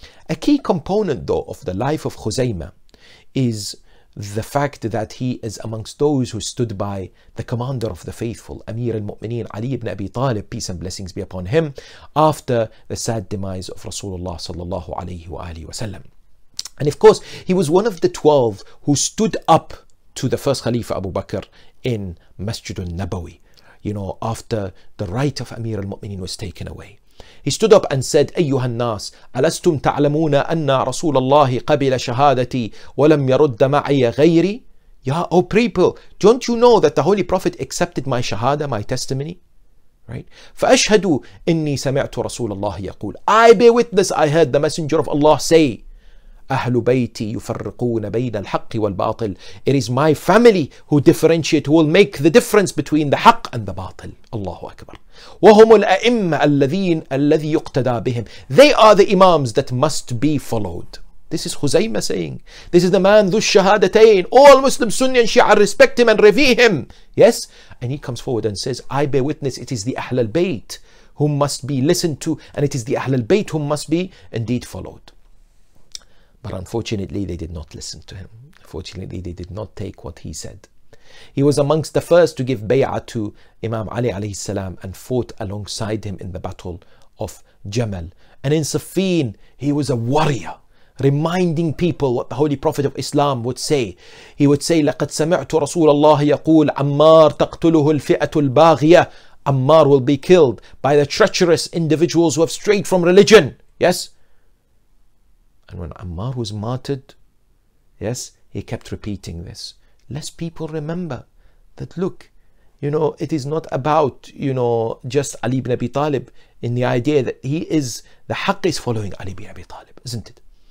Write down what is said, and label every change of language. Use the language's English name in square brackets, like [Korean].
[English] A key component though of the life of Khuzaima is the fact that he is amongst those who stood by the commander of the faithful, Amir al-Mu'mineen, Ali ibn Abi Talib, peace and blessings be upon him, after the sad demise of Rasulullah sallallahu alayhi wa alihi wa sallam. And of course, he was one of the 12 who stood up to the first Khalifa Abu Bakr in Masjid al-Nabawi, you know, after the right of Amir al-Mu'mineen was taken away. He stood up and said, [Arabic] أيها الناس ألستم تعلمون أن رسول الله قبل شهادتي ولم يرد معي غيري. [English] Ya, O people, don't you know that the Holy Prophet accepted my shahada, my testimony? Right? [Arabic] فأشهد إني سمعت رسول الله يقول. [English] I bear witness, I heard the Messenger of Allah say, [Arabic] أهل بيتي يفرقون بين الحق والباطل. [English] It is my family who differentiate, who will make the difference between the حق and the باطل. [Arabic] الله أكبر. وهم الأئمة الذين الذي يقتدى بهم. [English] They are the imams that must be followed. This is Khuzaima saying. This is the man ذو الشهادتين. All Muslims, Sunni and Shia, respect him and revere him. Yes? And he comes forward and says, I bear witness, it is the أهل البيت whom must be listened to, and it is the أهل البيت whom must be indeed followed. But unfortunately, they did not listen to him. Unfortunately, they did not take what he said. He was amongst the first to give bay'ah to Imam Ali alayhi salam and fought alongside him in the battle of Jamal. And in Siffin, he was a warrior, reminding people what the Holy Prophet of Islam would say. He would say, [Arabic] لَقَدْ سَمِعْتُ رَسُولَ اللَّهِ يَقُولْ عَمَّارْ تَقْتُلُهُ الْفِئَةُ الْبَاغِيَةُ. [English] Ammar will be killed by the treacherous individuals who have strayed from religion. Yes? And when Ammar was martyred, yes, he kept repeating this. Lest people remember that, look, you know, it is not about, you know, just Ali ibn Abi Talib, in the idea that he is, the haqq is following Ali ibn Abi Talib, isn't it?